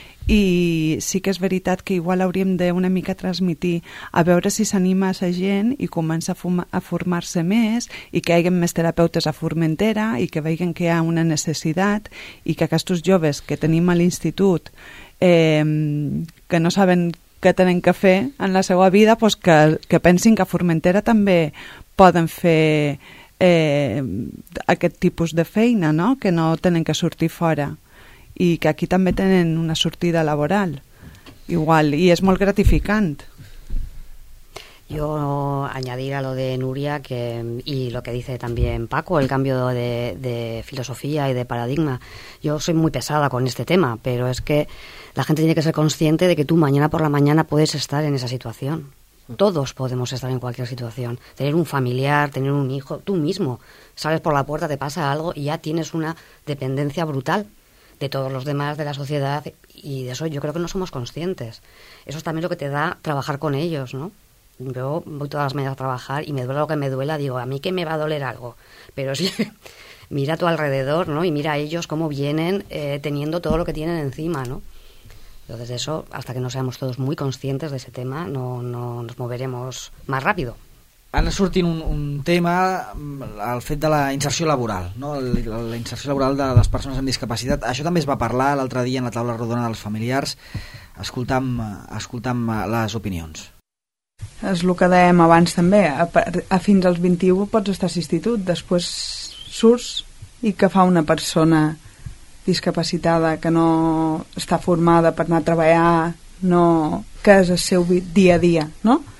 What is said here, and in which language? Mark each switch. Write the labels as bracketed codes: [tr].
[ca] I sí que és veritat que igual hauríem de una mica transmitir a veure si s'anima a la gent i comença a formar-se més i que hi haguem més terapeutes a Formentera i que veiem que hi ha una necessitat i que aquests joves que tenim a l'institut que no saben què tenen que fer en la seva vida, doncs que pensin que a Formentera també poden fer aquest tipus de feina, no? Que no tenen que sortir fora i que aquí també tenen una sortida laboral igual, i és molt gratificant. [es] Yo añadir a lo de Nuria que y lo que dice también Paco, el cambio de filosofía y de paradigma. Yo soy muy pesada con este tema, pero es que la gente tiene que ser consciente de que tú mañana por la mañana puedes estar en esa situación. Todos podemos estar en cualquier situación. Tener un familiar, tener un hijo, tú mismo sales por la puerta, te pasa algo y ya tienes una dependencia brutal de todos los demás, de la sociedad, y de eso yo creo que no somos conscientes. Eso es también lo que te da trabajar con ellos, ¿no? Yo voy todas las mañanas a trabajar y me duele lo que me duela, digo, ¿a mí qué me va a doler algo? Pero sí, mira a tu alrededor, ¿no? Y mira a ellos cómo vienen teniendo todo lo que tienen encima, ¿no? Entonces eso, hasta que no seamos todos muy conscientes de ese tema, no nos moveremos más rápido. [ca] Ara sortint un tema, el fet de la inserció laboral, no? La inserció laboral de les persones amb discapacitat. Això també es va parlar l'altre dia en la taula rodona dels familiars. Escoltam les opinions. És el que dèiem abans també. Fins als 21 pots estar substitut, després surts i que fa una persona discapacitada que no està formada per anar a treballar, no, que és el seu dia a dia, no?